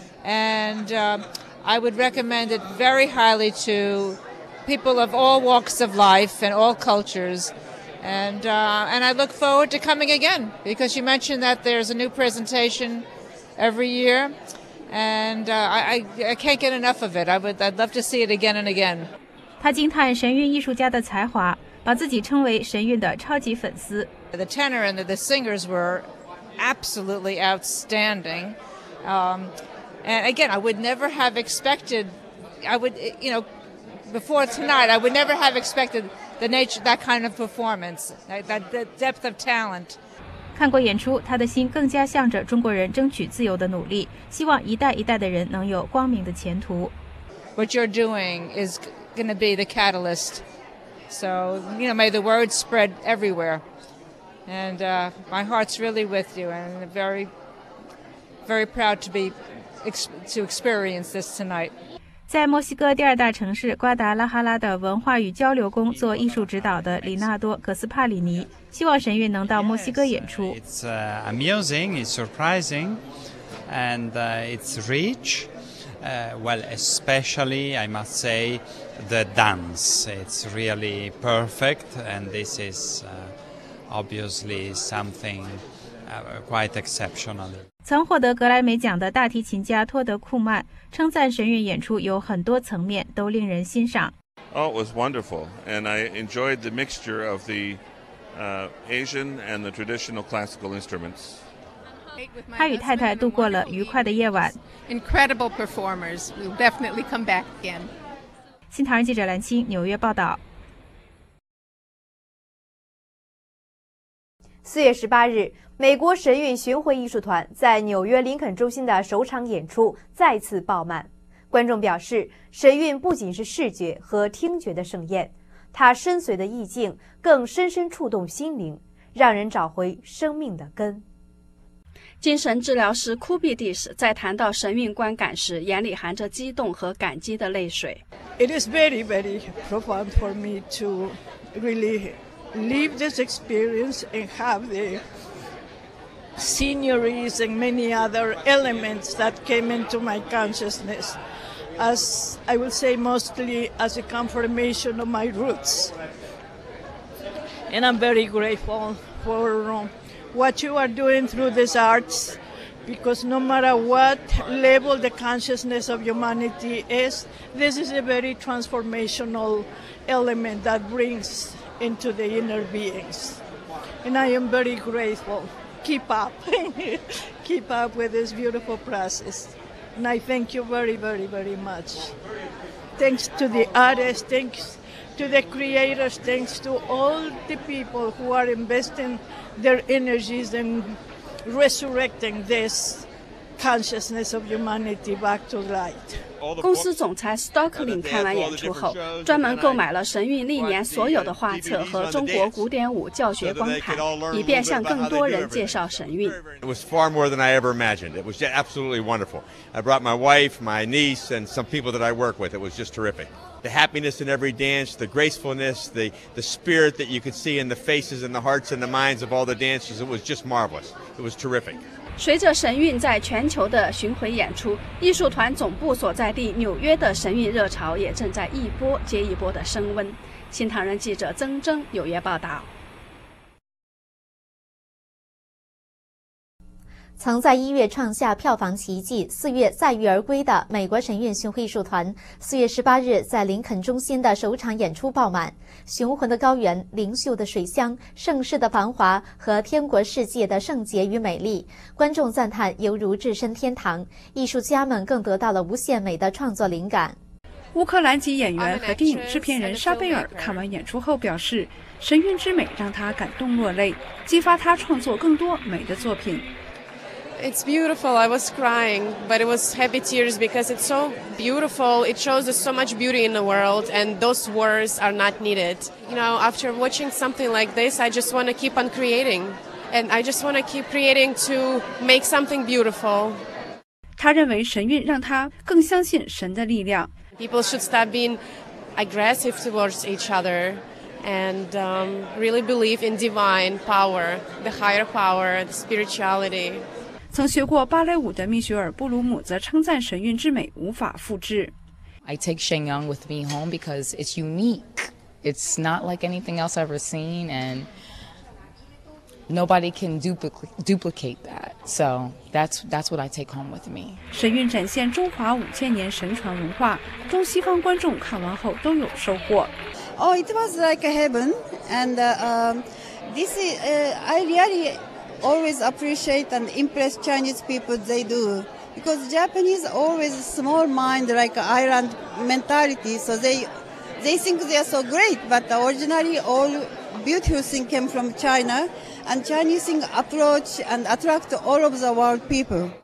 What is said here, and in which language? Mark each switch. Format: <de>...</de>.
<en>And I would recommend it very highly to people of all walks of life and all cultures. And I look forward to coming again, because you mentioned that there's a new presentation every year. And I can't get enough of it. I'd love to see it again and again.</en> <zh>他惊叹神韵艺术家的才华。把自己称为神韵的超级粉丝。</zh> <en>The tenor and the singers were absolutely outstanding. And again, I would never have expected, before tonight, I would never have expected the nature, that kind of performance, that depth of talent.</en> <zh>看过演出，他的心更加向着中国人争取自由的努力，希望一代一代的人能有光明的前途。</zh> <en>What you're doing is going to be the catalyst. So, you know, may the word spread everywhere. And my heart's really with you and very, very proud to be, to experience this tonight.</en> <zh>在墨西哥第二大城市瓜达拉哈拉的文化与交流宫做艺术指导的里纳多·格斯帕里尼希望神韵能到墨西哥演出。</zh> <en>It's amusing, it's surprising, and it's rich. Well, especially, I must say, the dance. It's really perfect, and this is obviously something quite exceptional.</en> <zh>曾获得格莱美奖的大提琴家托德·库曼称赞神韵演出有很多层面都令人欣赏。</zh> <en>Oh, it was wonderful, and I enjoyed the mixture of the Asian and the traditional classical instruments.</en> <zh>他与太太度过了愉快的夜晚。</zh> <en>Incredible performers, we'll definitely come back again.</en> <zh>新唐人记者蓝青，纽约报道。 4月18日，美国神韵巡回艺术团在纽约林肯中心的首场演出再次爆满。观众表示，神韵不仅是视觉和听觉的盛宴，它深邃的意境更深深触动心灵，让人找回生命的根。精神治疗师库比蒂斯在谈到神韵观感时，眼里含着激动和感激的泪水。</zh> <en>It is very, very profound for me to really live this experience and have the sceneries and many other elements that came into my consciousness. As I will say, mostly as a confirmation of my roots. And I'm very grateful for what you are doing through these arts, because no matter what level the consciousness of humanity is, this is a very transformational element that brings into the inner beings. And I am very grateful. Keep up. Keep up with this beautiful process. And I thank you very, very, very much. Thanks to the artists, thanks to the creators, thanks to all the people who are investing their energies in resurrecting this consciousness of humanity back to light.</en> <zh>公司总裁 Stockling 看完演出后，专门购买了神韵历年所有的画册和中国古典舞教学光盘，以便向更多人介绍神韵。</zh> <en>It was far more than I ever imagined. It was absolutely wonderful. I brought my wife, my niece, and some people that I work with. It was just terrific. The happiness in every dance, the gracefulness, the spirit that you could see in the faces and the hearts and the minds of all the dancers. It was just marvelous. It was terrific.</en> <zh>随着神韵在全球的巡回演出，艺术团总部所在地纽约的神韵热潮也正在一波接一波的升温。新唐人记者曾征纽约报道。曾在一月创下票房奇迹，四月载誉而归的美国神韵巡回艺术团，四月十八日在林肯中心的首场演出爆满。雄浑的高原，灵秀的水乡，盛世的繁华和天国世界的圣洁与美丽，观众赞叹犹如置身天堂，艺术家们更得到了无限美的创作灵感。乌克兰籍演员和电影制片人沙贝尔看完演出后表示，神韵之美让他感动落泪，激发他创作更多美的作品。</zh> <en>It's beautiful. I was crying, but it was happy tears because it's so beautiful. It shows us so much beauty in the world, and those words are not needed. You know, after watching something like this, I just want to keep on creating. And I just want to keep creating to make something beautiful.</en> <zh>他认为神韵让他更相信神的力量。</zh> <en>People should stop being aggressive towards each other. And really believe in divine power, the higher power, the spirituality.</en> <zh>曾学过芭蕾舞的蜜雪尔·布鲁姆则称赞神韵之美无法复制。</zh> <en>I take Shen Yang with me home because it's unique. It's not like anything else I've ever seen, and nobody can duplicate that. So that's what I take home with me.</en> <zh>神韵展现中华五千年神传文化，中西方观众看完后都有收获。</zh> <en>Oh, it was like a heaven, and this is, I really always appreciate and impress Chinese people they do, because Japanese always small mind like island mentality, so they think they are so great, but originally all beautiful thing came from China, and Chinese thing approach and attract all of the world people.</en>